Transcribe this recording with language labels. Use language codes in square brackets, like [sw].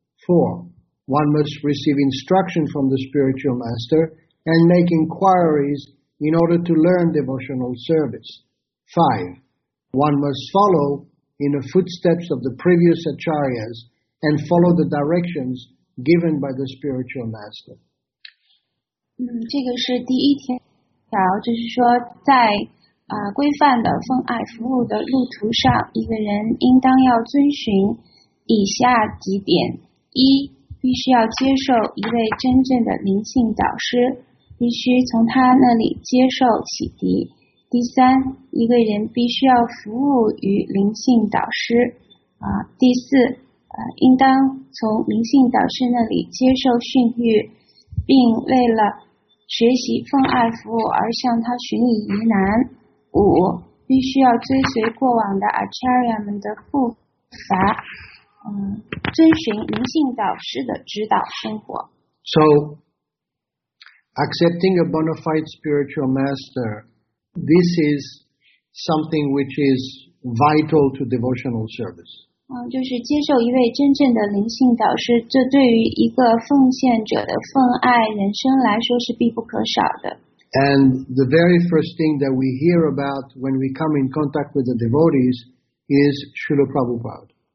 [en] Four, one must receive instruction from the spiritual master. And make inquiries in order to learn devotional service. 5. One must follow in the footsteps of the previous acharyas and follow the directions given by the spiritual master. [zh] 这个是第一条，就是说在规范的奉爱服务的路途上，一个人应当要遵循以下几点：一，必须要接受一位真正的灵性导师。必须从他那里接受启迪。第三，一个人必须要服务于灵性导师。第四，应当从灵性导师那里接受训育，并为了学习奉爱服务而向他寻以疑难。五，必须要追随过往的 Acharya 们的步伐，遵循灵性导师的指导生活。 [en] So,Accepting a bona fide spiritual master, this is something which is vital to devotional service. [zh] 就是接受一位真正的灵性导师，这对于一个奉献者的奉爱人生来说是必不可少的。 [en] And the very first thing that we hear about when we come in contact with the devotees is Srila Prabhupada.